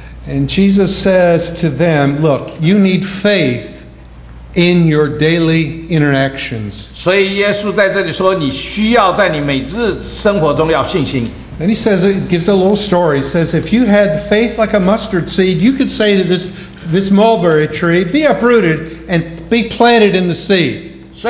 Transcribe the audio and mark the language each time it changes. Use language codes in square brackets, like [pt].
[en] And Jesus says to them, look, you need faith in your daily interactions. [zh] 所以耶稣在这里说，你需要在你每日生活中要信心。 [en] And he says, it gives a little story. He says, if you had faith like a mustard seed, you could say to this mulberry tree, be uprooted and be planted in the sea.